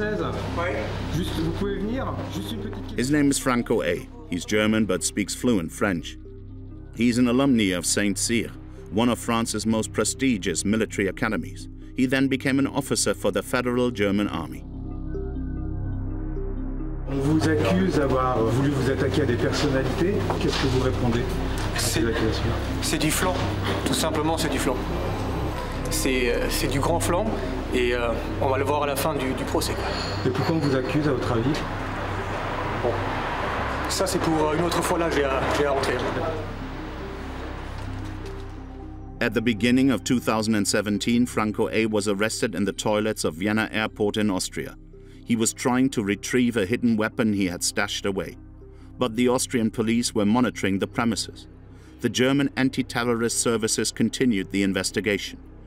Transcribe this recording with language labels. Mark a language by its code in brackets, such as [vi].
[en] His name is Franco A. He's German but speaks fluent French. He's an alumni of Saint-Cyr, one of France's most prestigious military academies. He then became an officer for the Federal German Army. [fr] On vous accuse d'avoir voulu vous attaquer à des personnalités. Qu'est-ce que vous répondez? C'est du flan. Tout simplement, c'est du flan. c'est du grand flanc et on va le voir à la fin du procès. Et pourquoi on vous accuse à votre avis? Bon, ça c'est pour une autre fois, là j'ai à rentrer. [en] At the beginning of 2017, Franco A was arrested in the toilets of Vienna Airport in Austria. He was trying to retrieve a hidden weapon he had stashed away. But the Austrian police were monitoring the premises. The German anti-terrorist services continued the investigation.